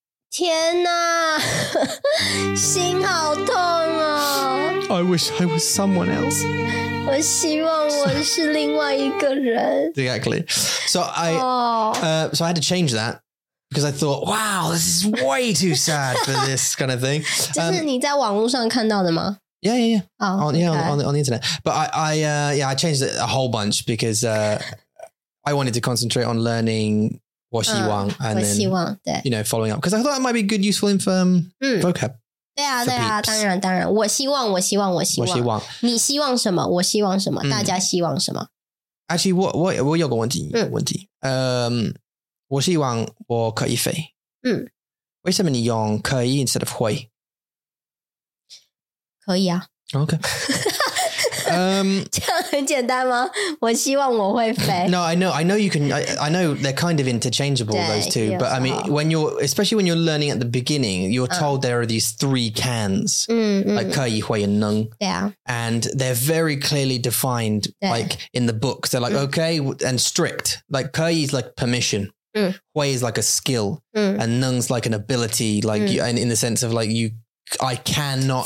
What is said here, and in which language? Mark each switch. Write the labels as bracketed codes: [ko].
[zh] 天哪，心好痛哦。 [en] I wish I was someone else. [zh] 我希望我是另外一个人。 [en] Exactly. So I had to change that because I thought, wow, this is way too sad for this kind of thing. [zh] 这是你在网络上看到的吗？ [en] Yeah. Oh, on, yeah, okay. on the internet. But I changed it a whole bunch because I wanted to concentrate on learning [zh] 我希望 [en] and then, [zh] 我希望对 [en] you know, following up. Because I thought that might be good, useful info vocab. [zh] 对啊对啊当然当然我希望我希望我希望我希望你希望什么我希望什么大家希望什么 [en] Actually, [zh] 我有个问题问题我希望我可以飞为什么你用可以 [en] instead of [zh] 会可以啊 [en] OK [zh] 这样很简单吗我希望我会飞 [en] No I know you can I know they're kind of interchangeable those two But I mean when you're especially when you're learning at the beginning you're told there are these three cans like 可以会能 Yeah and they're very clearly defined like in the book they're like okay and strict like [zh] 可以 [en] is like permission Hui is like a skill and 能 is like an ability like you, in the sense of like youI cannot